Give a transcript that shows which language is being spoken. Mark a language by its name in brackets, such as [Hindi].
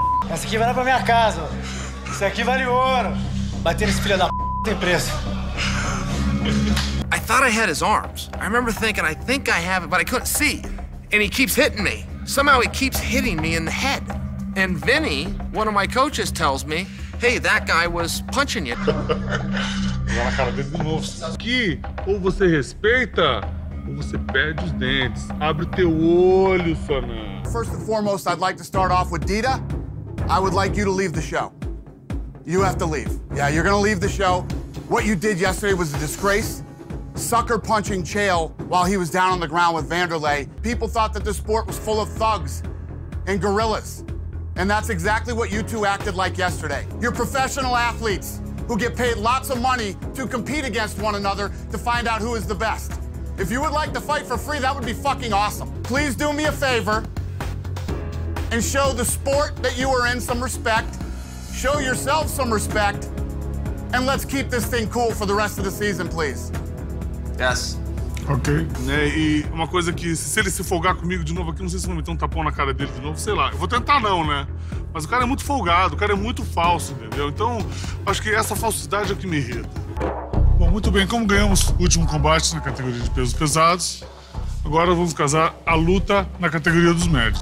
[Portuguese] Essa aqui vai lá pra minha casa. Isso aqui vale ouro. Bater nesse filho da tem preço. [English] I thought I had his arms. I remember thinking, I think I have it, but I couldn't see. And he keeps hitting me. Somehow he keeps hitting me in the head. And Vinny, one of my coaches, tells me, hey, that guy was punching you. [Portuguese] Lá na cara dele de novo. Aqui, ou você respeita, ou você perde os dentes. Abre teu olho, Sonã. [English] First and foremost, I'd like to start off with Dita. I would like you to leave the show. You have to leave. Yeah, you're gonna leave the show. What you did yesterday was a disgrace. Sucker punching Chael while he was down on the ground with Vanderlei. People thought that the sport was full of thugs and gorillas. And that's exactly what you two acted like yesterday. You're professional athletes who get paid lots of money to compete against one another to find out who is the best. If you would like to fight for free, that would be fucking awesome. Please do me a favor and show the sport that you are in some respect. Show yourself some respect. And let's keep this thing cool for the rest of the season, please. Yes. Okay. Né? [Portuguese] E uma coisa que, se ele se folgar comigo de novo aqui, não sei se vou meter um tapão na cara dele de novo, sei lá. Eu vou tentar não, né? Mas o cara é muito folgado, o cara é muito falso, entendeu? Então, acho que essa falsidade é que me irrita. Bom, muito bem, como ganhamos o último combate na categoria de pesos pesados, agora vamos casar a luta na categoria dos médios.